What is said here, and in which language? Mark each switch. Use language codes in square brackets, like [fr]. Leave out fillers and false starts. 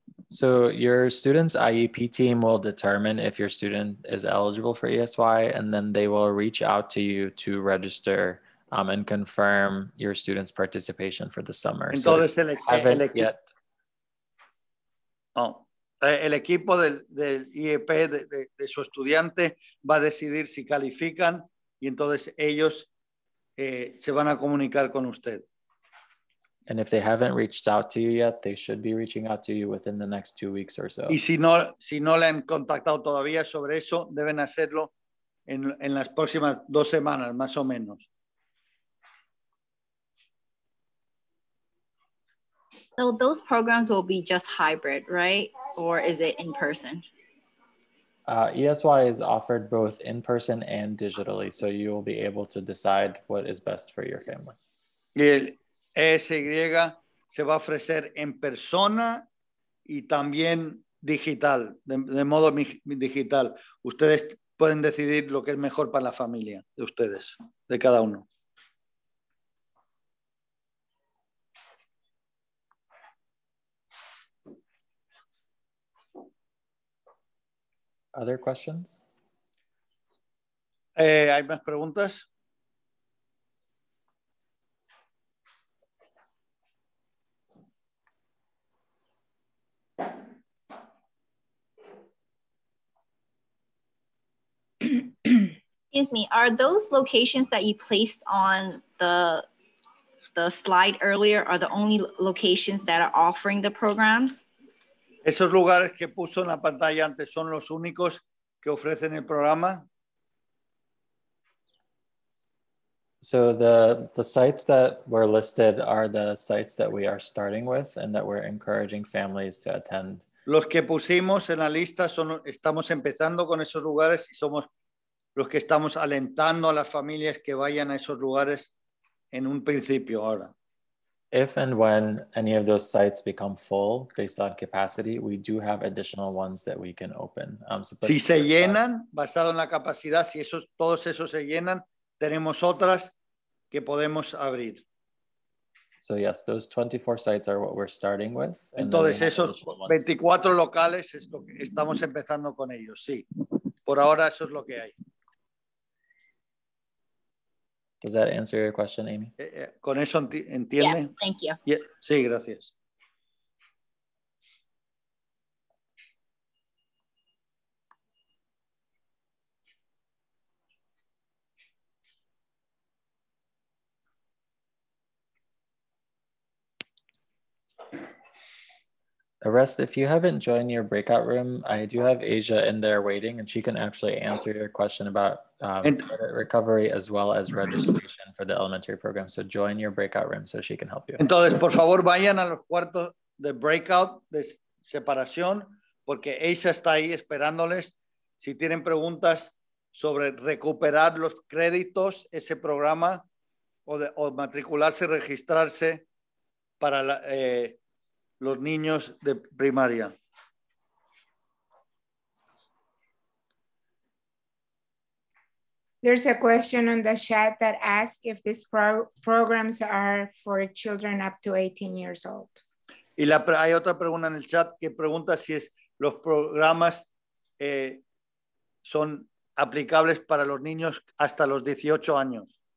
[en] So your student's IEP team will determine if your student is eligible for ESY, and then they will reach out to you to register and confirm your student's participation for the summer. [es] Entonces, [en] so [es] el equipo del IEP de su estudiante va a decidir si califican, y entonces ellos se van a comunicar con usted. [en] And if they haven't reached out to you yet, they should be reaching out to you within the next 2 weeks or so. [es] Y si no le han contactado todavía sobre eso, deben hacerlo en las próximas 2 semanas, más o menos. [en] So those programs will be just hybrid, right? Or is it in person? ESY is offered both in person and digitally. So you will be able to decide what is best for your family. Yeah. [es] ESY se va a ofrecer en persona y también digital, de modo digital. Ustedes pueden decidir lo que es mejor para la familia de ustedes, de cada uno. [en] Other questions? [es] ¿Hay más preguntas? [en] Excuse me, are those locations that you placed on the slide earlier are the only locations that are offering the programs? [es] Esos lugares que puso en la pantalla antes son los únicos que ofrecen el programa. [en] So the sites that were listed are the sites that we are starting with and that we're encouraging families to attend. [es] Los que pusimos en la lista son estamos empezando con esos lugares y somos los que estamos alentando a las familias que vayan a esos lugares en un principio ahora. [en] If and when any of those sites become full based on capacity, we do have additional ones that we can open. [es] Si se llenan, basado en la capacidad, si esos, todos esos se llenan, tenemos otras que podemos abrir. [en] So yes, those 24 sites are what we're starting with. [es] Entonces esos 24 locales es lo que estamos empezando con ellos, sí. Por ahora eso es lo que hay. [en] Does that answer your question, Amy? [es] Con eso entiende. [en] Yeah, thank you. [es] Yeah, sí, gracias. [en] Arrest, if you haven't joined your breakout room, I do have Asia in there waiting, and she can actually answer your question about credit recovery as well as registration for the elementary program. So join your breakout room so she can help you. [es] Entonces, por favor, vayan a los cuartos de breakout de separación, porque Asia está ahí esperándoles. Si tienen preguntas sobre recuperar los créditos, ese programa, o matricularse, registrarse para la... los niños de primaria. [en] There's a question on the chat that asks if these programs are for children up to 18 years old. [es] Y hay otra pregunta en el chat que pregunta si es los programas son aplicables para los niños hasta los 18 años.